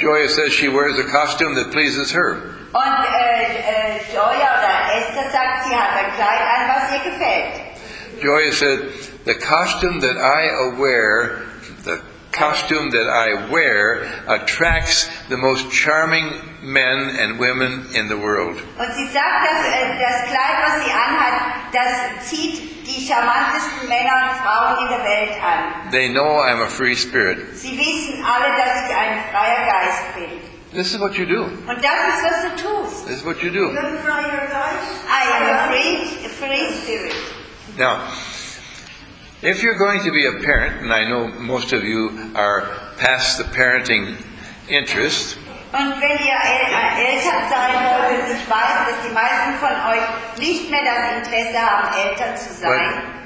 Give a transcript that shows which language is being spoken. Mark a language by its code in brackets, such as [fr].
[en] Joya says she wears a costume that pleases her. [de] Und Joya oder Esther sagt, sie hat ein Kleid an, was ihr gefällt. [en] Joya said, the costume that I wear, attracts the most charming men and women in the world. [de] Und sie sagt, dass das Kleid, was sie anhat, das zieht die charmantesten Männer und Frauen in der Welt an. [en] They know I'm a free spirit. [de] Sie wissen alle, dass ich ein freier Geist bin. [en] This is what you do. [de] Und das ist, was du tust. [en] This is what you do. I am a free spirit. Now, if you're going to be a parent, and I know most of you are past the parenting interest, [de] und wenn ihr Eltern sein wollt, ich weiß, dass die meisten von euch nicht mehr das Interesse haben, Eltern zu sein.